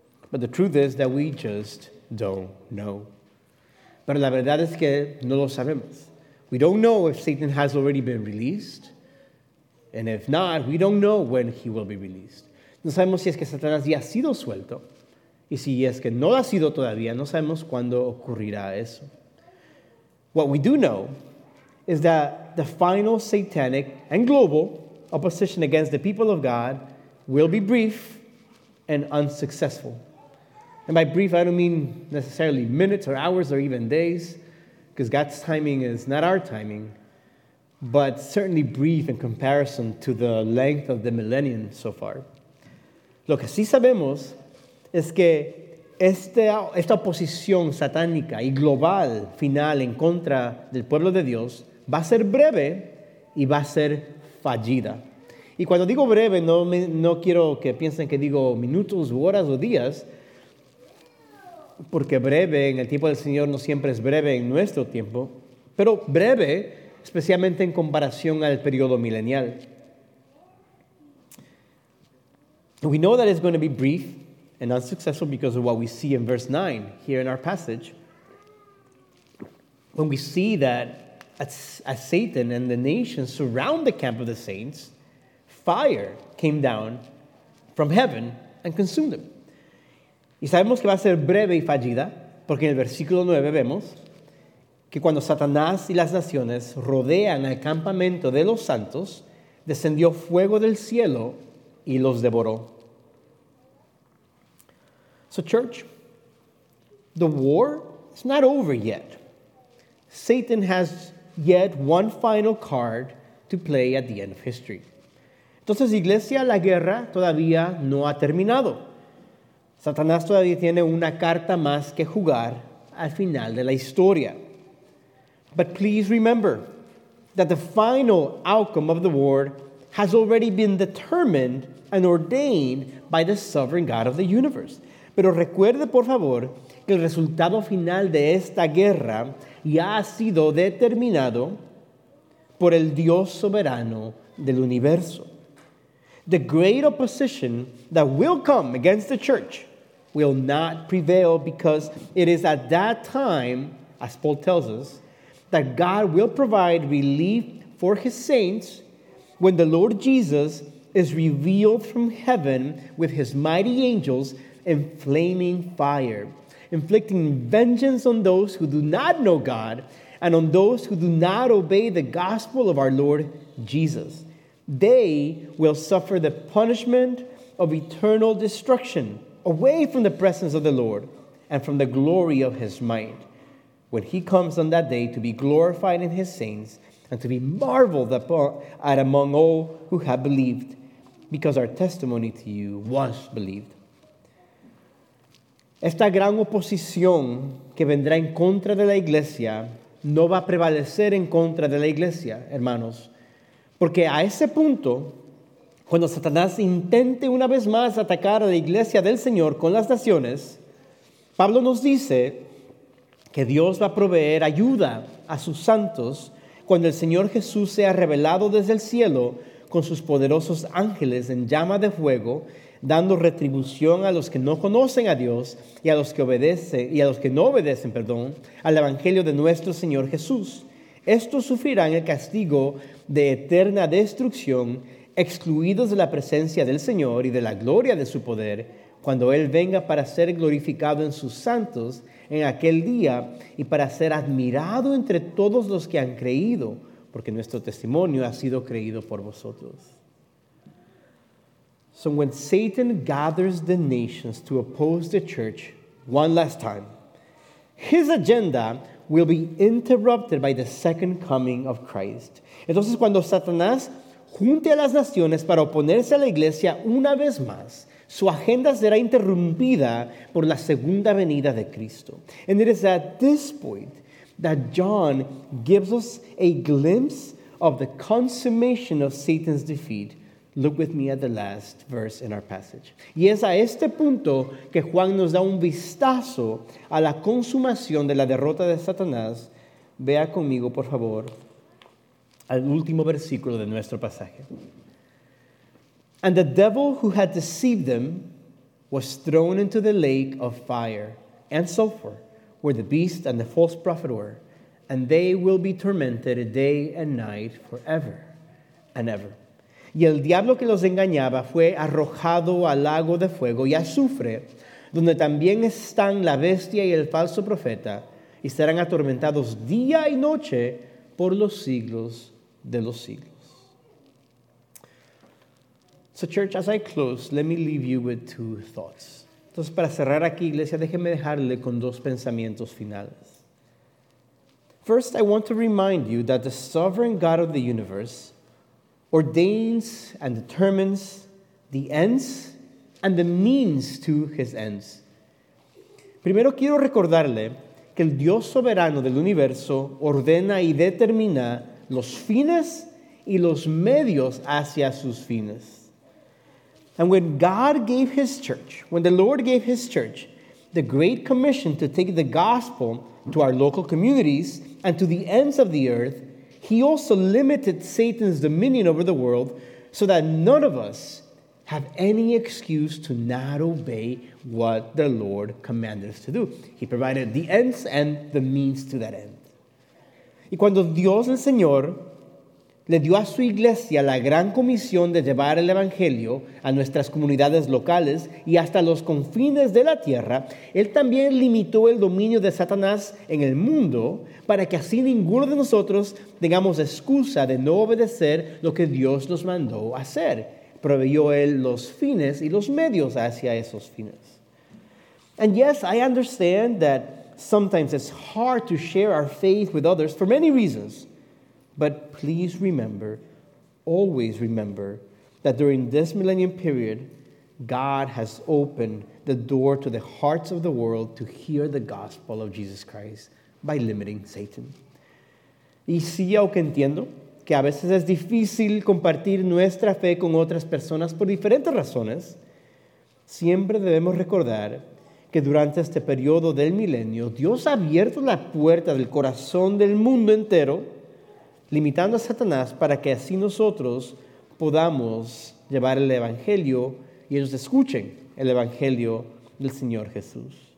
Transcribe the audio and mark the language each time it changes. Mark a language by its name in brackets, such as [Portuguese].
[English] But the truth is that we just don't know. [Spanish] Pero la verdad es que no lo sabemos. [English] We don't know if Satan has already been released. And if not, we don't know when he will be released. [Spanish] No sabemos si es que Satanás ya ha sido suelto. Y si es que no lo ha sido todavía, no sabemos cuándo ocurrirá eso. [English] What we do know is that the final satanic and global opposition against the people of God will be brief and unsuccessful. And by brief, I don't mean necessarily minutes or hours or even days, because God's timing is not our timing, but certainly brief in comparison to the length of the millennium so far. [Spanish] Lo que sí sabemos es que esta oposición satánica y global final en contra del pueblo de Dios va a ser breve y va a ser fallida. Y cuando digo breve, no quiero que piensen que digo minutos, horas o días, porque breve en el tiempo del Señor no siempre es breve en nuestro tiempo, pero breve especialmente en comparación al periodo milenial. [English] We know that it's going to be brief and unsuccessful because of what we see in verse 9 here in our passage. When we see that as Satan and the nations surround the camp of the saints, fire came down from heaven and consumed them. [Spanish] Y sabemos que va a ser breve y fallida, porque en el versículo 9 vemos que cuando Satanás y las naciones rodean el campamento de los santos, descendió fuego del cielo y los devoró. [English] So church, the war is not over yet. Satan has yet one final card to play at the end of history. [Spanish] Entonces, iglesia, la guerra todavía no ha terminado. Satanás todavía tiene una carta más que jugar al final de la historia. [English] But please remember that the final outcome of the war has already been determined and ordained by the sovereign God of the universe. [Spanish] Pero recuerde, por favor, que el resultado final de esta guerra ya ha sido determinado por el Dios soberano del universo. [English] The great opposition that will come against the church will not prevail because it is at that time, as Paul tells us, that God will provide relief for his saints when the Lord Jesus is revealed from heaven with his mighty angels in flaming fire, inflicting vengeance on those who do not know God and on those who do not obey the gospel of our Lord Jesus. They will suffer the punishment of eternal destruction away from the presence of the Lord and from the glory of his might, when he comes on that day to be glorified in his saints and to be marveled at among all who have believed, because our testimony to you was believed. [Spanish] Esta gran oposición que vendrá en contra de la iglesia no va a prevalecer en contra de la iglesia, hermanos, porque a ese punto, cuando Satanás intente una vez más atacar a la iglesia del Señor con las naciones, Pablo nos dice que Dios va a proveer ayuda a sus santos cuando el Señor Jesús sea revelado desde el cielo con sus poderosos ángeles en llama de fuego, dando retribución a los que no conocen a Dios y a los que obedecen, al Evangelio de nuestro Señor Jesús. Estos sufrirán el castigo de eterna destrucción, excluidos de la presencia del Señor y de la gloria de su poder, cuando Él venga para ser glorificado en sus santos en aquel día y para ser admirado entre todos los que han creído, porque nuestro testimonio ha sido creído por vosotros. [English] So when Satan gathers the nations to oppose the church one last time, his agenda will be interrupted by the second coming of Christ. [Spanish] Entonces, cuando Satanás junte a las naciones para oponerse a la iglesia una vez más, su agenda será interrumpida por la segunda venida de Cristo. [English] And it is at this point that John gives us a glimpse of the consummation of Satan's defeat. Look with me at the last verse in our passage. [Spanish] Y es a este punto que Juan nos da un vistazo a la consumación de la derrota de Satanás. Vea conmigo, por favor, al último versículo de nuestro pasaje. [English] And the devil who had deceived them was thrown into the lake of fire and sulfur, where the beast and the false prophet were, and they will be tormented day and night forever and ever. [Spanish] Y el diablo que los engañaba fue arrojado al lago de fuego y azufre, donde también están la bestia y el falso profeta, y serán atormentados día y noche por los siglos de los siglos. [English] So church, as I close, let me leave you with two thoughts. [Spanish] Entonces, para cerrar aquí, iglesia, déjeme dejarle con dos pensamientos finales. [English] First, I want to remind you that the sovereign God of the universe ordains and determines the ends and the means to his ends. [Spanish] Primero quiero recordarle que el Dios soberano del universo ordena y determina los fines y los medios hacia sus fines. [English] And when God gave his church, when the Lord gave his church the great commission to take the gospel to our local communities and to the ends of the earth, he also limited Satan's dominion over the world so that none of us have any excuse to not obey what the Lord commanded us to do. He provided the ends and the means to that end. [Spanish] Y cuando Dios, el Señor, le dio a su iglesia la gran comisión de llevar el evangelio a nuestras comunidades locales y hasta los confines de la tierra, él también limitó el dominio de Satanás en el mundo para que así ninguno de nosotros tengamos excusa de no obedecer lo que Dios nos mandó hacer. Proveyó él los fines y los medios hacia esos fines. [English] And yes, I understand that sometimes it's hard to share our faith with others for many reasons. But please remember, always remember, that during this millennium period, God has opened the door to the hearts of the world to hear the gospel of Jesus Christ by limiting Satan. [Spanish] Y sí, aunque entiendo que a veces es difícil compartir nuestra fe con otras personas por diferentes razones, siempre debemos recordar que durante este periodo del milenio, Dios ha abierto la puerta del corazón del mundo entero limitando a Satanás para que así nosotros podamos llevar el evangelio y ellos escuchen el evangelio del Señor Jesús.